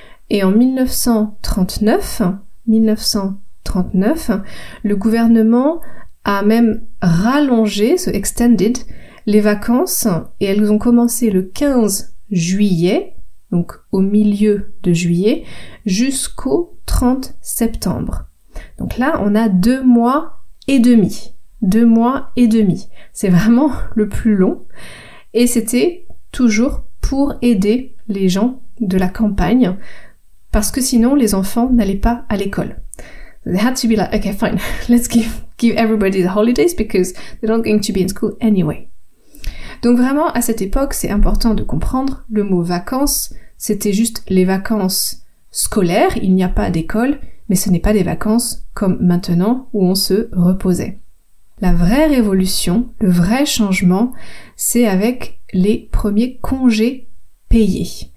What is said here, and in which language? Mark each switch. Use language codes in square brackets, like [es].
[fr] Et en 1939, le gouvernement a même rallongé, [en] so extended, [fr] les vacances, et elles ont commencé le 15 juillet, donc au milieu de juillet, jusqu'au 30 septembre. Donc là, on a 2 mois et demi. 2 mois et demi. C'est vraiment le plus long. Et c'était toujours pour aider les gens de la campagne, parce que sinon, les enfants n'allaient pas à l'école. [en] They had to be like, okay, fine, let's give everybody the holidays because they're not going to be in school anyway. [fr] Donc vraiment, à cette époque, c'est important de comprendre le mot vacances. C'était juste les vacances scolaires, il n'y a pas d'école, mais ce n'est pas des vacances comme maintenant où on se reposait. La vraie révolution, le vrai changement, c'est avec les premiers congés payés.